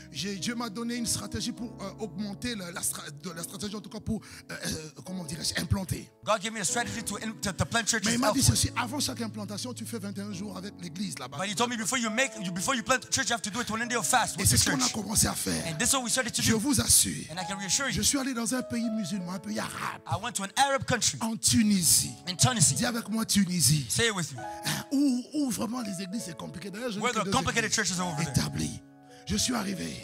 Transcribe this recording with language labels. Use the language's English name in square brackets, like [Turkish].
[French] Dieu m'a donné une stratégie pour augmenter la stratégie, en tout cas pour implanter. [English] God gave me a strategy to plant churches. [French] Mais il m'a dit ceci, avant chaque implantation, tu fais 21 jours avec l'église là-bas. [English] But he told me before you plant a church, you have to do a 21 day of fast with the church. [French] Et c'est ce qu'on a commencé à faire. [English] And this is what we started to [French] do. Je vous assure. [English] And I can reassure you. [French] Je suis allé dans un pays musulman, un pays arabe. [English] I went to an Arab country. [French] En Tunisie. Tunisie. Dis avec moi Tunisie. [English] Say it with me. [French] Où vraiment les églises c'est compliqué. D'ailleurs, je [English] where the complicated churches are over there. [French] Établi. Je suis arrivé.